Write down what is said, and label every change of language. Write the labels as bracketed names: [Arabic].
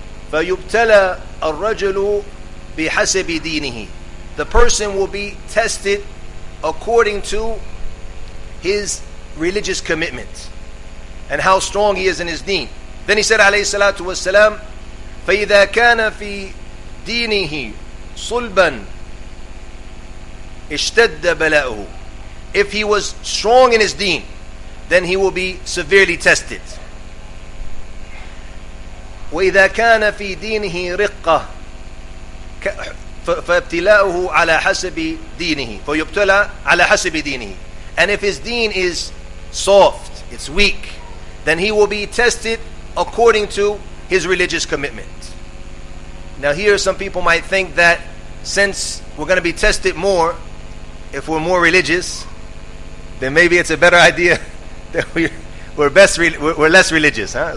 [Arabic] فَيُبْتَلَى الرَّجُلُ بِحَسَبِ دِينِهِ. [English] The person will be tested according to his religious commitment and how strong he is in his deen. Then he said, alayhi salatu wassalam, [Arabic] فإذا كان في دينه صلبا اشتد بلاؤه. [English] If he was strong in his deen, then he will be severely tested. [Arabic] وإذا كان في دينه رقة فابتلاؤه على حسب دينه. فيبتلى على حسب دينه. [English] And if his deen is soft, it's weak, then he will be tested according to his religious commitment. Now here some people might think that since we're going to be tested more, if we're more religious, then maybe it's a better idea that we're less religious, huh?